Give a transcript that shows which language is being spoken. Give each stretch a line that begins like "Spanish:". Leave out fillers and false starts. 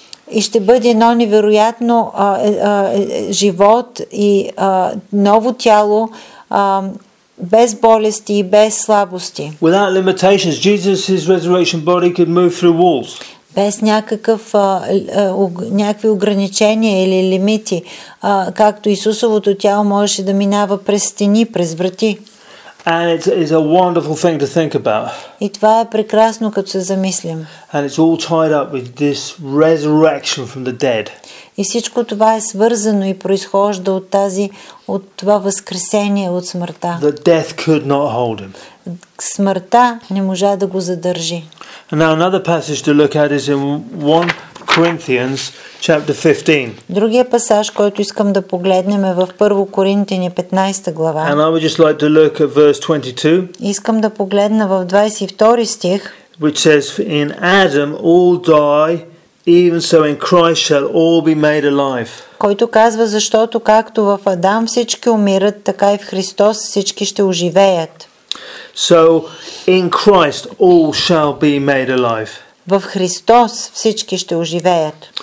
Bulgarian: И ще бъде едно невероятно живот и ново тяло, без болести и без слабости.
English: Without limitations, Jesus' resurrection body could move through walls.
Bulgarian: Без някакъв някакви ограничения или лимити, както Исусовото тяло можеше да минава през стени, през врати.
English: And it is a wonderful thing to think about.
Bulgarian: И това е прекрасно, като се замислим.
English: And it's all tied up with this resurrection from the dead.
Bulgarian: И всичко това е свързано и произхожда от тази, от това възкресение от смъртта.
English: The death could not hold him.
Bulgarian: Смъртта не можа да го задържи.
English: And now another passage to look at is in 1 Corinthians chapter 15.
Bulgarian: Другия пасаж, който искам да погледнем, е в 1 Коринтяни 15 глава.
English: And I would just like to look at verse 22.
Bulgarian: Искам да погледна в 22 стих.
English: Which says, in Adam all die, even so in Christ shall all be made alive.
Bulgarian: Който казва, защото както в Адам всички умират, така и в Христос всички ще оживеят.
English: So in Christ all shall be made alive.
Bulgarian: В Христос всички ще оживеят.